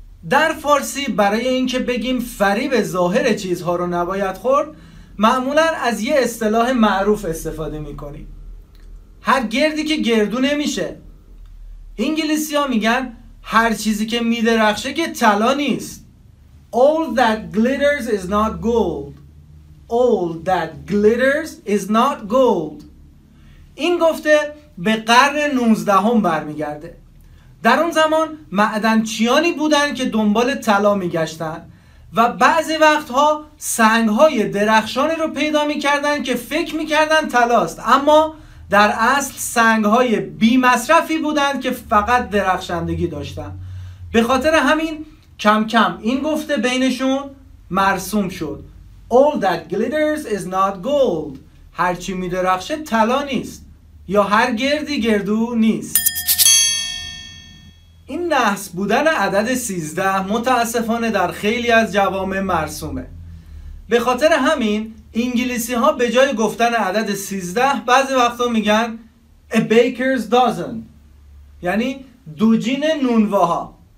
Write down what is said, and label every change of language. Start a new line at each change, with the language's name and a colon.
Persian: در فارسی برای اینکه بگیم فریب ظاهر چیزها رو نباید خورد، معمولاً از یه اصطلاح معروف استفاده می‌کنیم. هر گردی که گردو نمیشه. انگلیسی‌ها میگن هر چیزی که میدرخشه که طلا نیست.
English: All that glitters is not gold. All that glitters is not gold.
Persian: این گفته به قرن 19 هم برمیگرده. در اون زمان معدنچیانی بودن که دنبال طلا میگشتن و بعضی وقتها سنگهای درخشانی رو پیدا میکردن که فکر میکردن طلاست، اما در اصل سنگهای بیمصرفی بودن که فقط درخشندگی داشتن. به خاطر همین کم کم این گفته بینشون مرسوم شد.
English: All that glitters is not gold.
Persian: هرچی میدرخشه طلا نیست، یا هر گردی گردو نیست. این نحس بودن عدد 13 متاسفانه در خیلی از جوامع مرسومه. به خاطر همین انگلیسی ها به جای گفتن عدد 13 بعضی وقتا میگن
English: A baker's dozen،
Persian: یعنی دوجین نونواها.